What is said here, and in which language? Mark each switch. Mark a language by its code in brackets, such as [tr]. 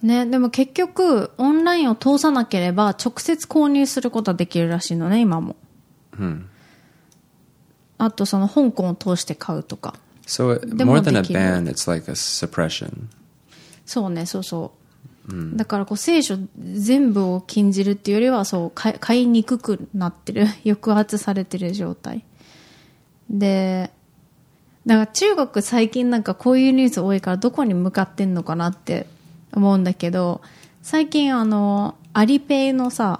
[ja] ね、でも結局オンラインを通さなければ直接購入することはできるらしいのね今も、 hmm. あとその香港を通して買うとか [en] So it, more than a ban, it's like a suppression [ja] そうねそうそう、 hmm. だからこう聖書全部を禁じるっていうよりはそう買いにくくなってる抑圧されてる状態でなんか中国最近なんかこういうニュース多いからどこに向かってんのかなって思うんだけど最近あのアリペイのさ、